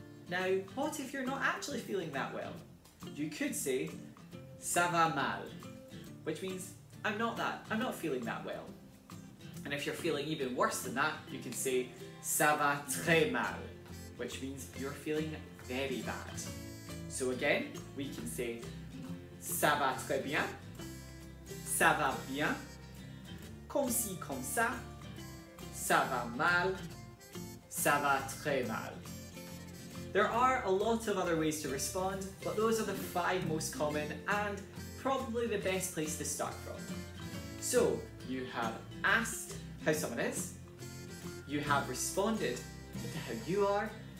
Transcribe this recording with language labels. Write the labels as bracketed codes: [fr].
[en] Now, what if you're not actually feeling that well? You could say [fr] ça va mal, [en] which means I'm not feeling that well. And if you're feeling even worse than that, you can say [fr] ça va très mal, [en] which means you're feeling very bad. So again, we can say [fr] ça va très bien, ça va bien, comme ci, comme ça, ça va mal, ça va très mal. [en] There are a lot of other ways to respond, but those are the five most common and probably the best place to start from. So, you have asked how someone is, you have responded to how you are.